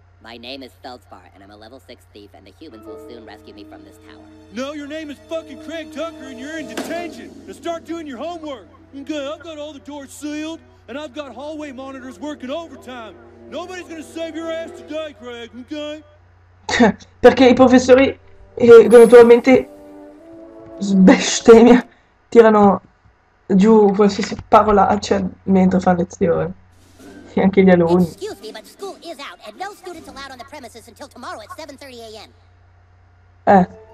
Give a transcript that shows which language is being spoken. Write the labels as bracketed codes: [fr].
[en] My name is Feldspar, and I'm a level 6 thief, and the humans will soon rescue me from this tower. No, your name is fucking Craig Tucker, and you're in detention! Now start doing your homework! Okay, I've got all the doors sealed, and I've got hallway monitors working overtime! Nobody's gonna save your ass today, Craig, okay? [it] Perché i professori, eventualmente, sbestemmia, tirano giù qualsiasi parolaccia mentre fa lezione. Anche gli alunni. [en] Excuse me, but school is out and no students allowed on the premises until tomorrow at 7:30 a.m.